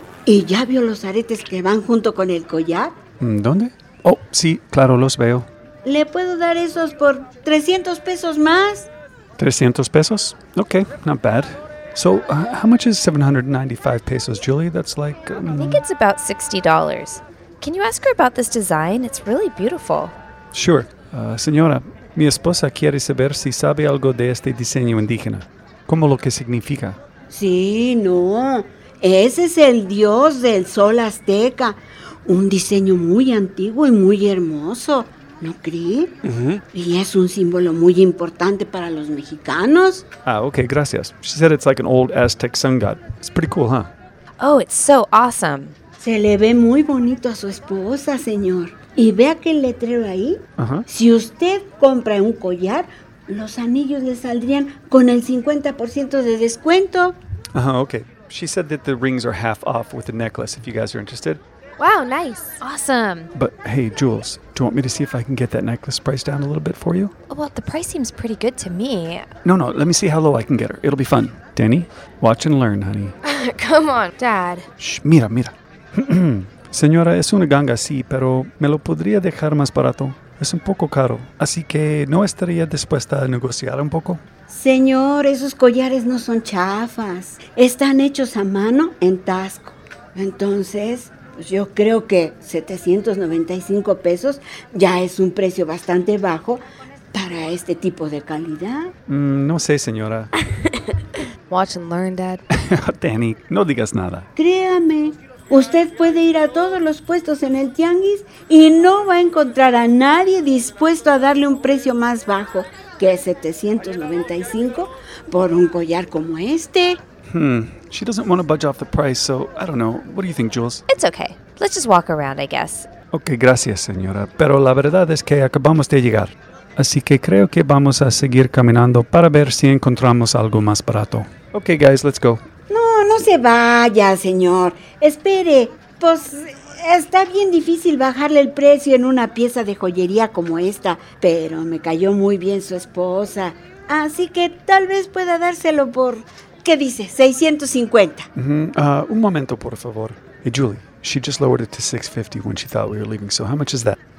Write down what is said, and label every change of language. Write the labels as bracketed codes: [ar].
[es] ¿Y ya vio los aretes que van junto con el collar? ¿Dónde? Oh, sí, claro, los veo. ¿Le puedo dar esos por 300 pesos más? [en] ¿300 pesos? Okay, not bad. So, how much is 795 pesos, Julie? That's like... I think it's about $60. Can you ask her about this design? It's really beautiful. Sure. [es] Señora, mi esposa quiere saber si sabe algo de este diseño indígena. ¿Cómo lo que significa? Sí, no. Ese es el dios del sol azteca. Un diseño muy antiguo y muy hermoso. ¿No cree? Y es un símbolo muy importante para los mexicanos. Ah, okay, gracias. [en] She said it's like an old Aztec sun god. It's pretty cool, huh? Oh, it's so awesome. [es] Se le ve muy bonito a su esposa, señor. Y ve aquel letrero ahí. Si usted compra un collar, los anillos le saldrían con el 50% de descuento. [en] Okay. She said that the rings are half off with the necklace, if you guys are interested. Wow, nice. Awesome. But hey, Jules, do you want me to see if I can get that necklace price down a little bit for you? Well, the price seems pretty good to me. No, let me see how low I can get her. It'll be fun. Danny, watch and learn, honey. Come on, Dad. [es] Shh, mira. Señora, es una ganga, sí, pero me lo podría dejar más barato. Es un poco caro, así que no estaría dispuesta a negociar un poco. Señor, esos collares no son chafas. Están hechos a mano en Taxco. Entonces, pues yo creo que 795 pesos ya es un precio bastante bajo para este tipo de calidad. No sé, señora. [en] Watch and learn, Dad. [es] Danny, no digas nada. Créame. Usted puede ir a todos los puestos en el tianguis y no va a encontrar a nadie dispuesto a darle un precio más bajo que 795 por un collar como este. [en] She doesn't want to budge off the price, so I don't know. What do you think, Jules? It's okay. Let's just walk around, I guess. [es] Okay, gracias, señora. Pero la verdad es que acabamos de llegar. Así que creo que vamos a seguir caminando para ver si encontramos algo más barato. [en] Okay, guys, let's go. [es] No se vaya, señor. Espere, pues está bien difícil bajarle el precio en una pieza de joyería como esta, pero me cayó muy bien su esposa. Así que tal vez pueda dárselo por, ¿qué dice? 650. Un momento, por favor. [en] Hey, Julie, she just lowered it to 650 when she thought we were leaving, so how much is that?